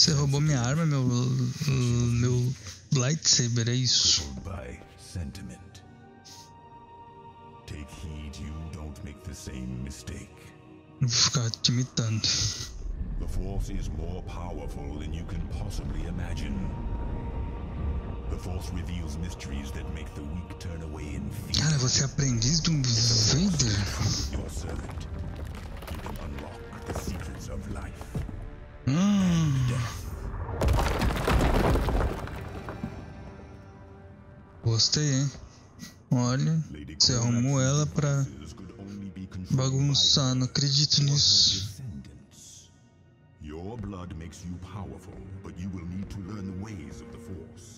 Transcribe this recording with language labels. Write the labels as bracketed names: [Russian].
[Portuguese] Você roubou minha arma, meu lightsaber, é isso. [English] By sentiment. Take heed, you don't make the same mistake. The force is more powerful than you can possibly imagine. The force reveals mysteries that make the weak turn away in fear. [Portuguese] Cara, você é aprendiz de Vader? [English] Your servant. You can unlock the secrets of life. [Portuguese] Gostei, hein? Olha, você arrumou ela pra bagunçar, não acredito nisso. [English] Your blood makes you powerful, but you will need to learn the ways of the force.